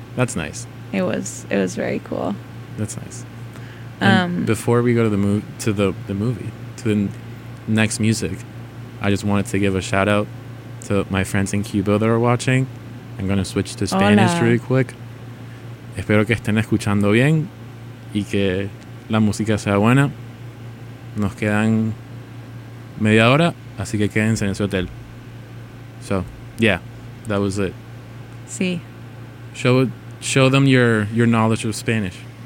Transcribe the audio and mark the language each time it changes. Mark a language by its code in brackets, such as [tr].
[en] That's nice. It was very cool. That's nice. Before we go to the next music, I just wanted to give a shout out to my friends in Cuba that are watching. I'm going to switch to Spanish really quick. [es] Espero que estén escuchando bien y que la música sea buena. Nos quedan media hora, así que quédense en ese hotel. [en] So, yeah, that was it. [es] Sí. [en] Show them your knowledge of Spanish.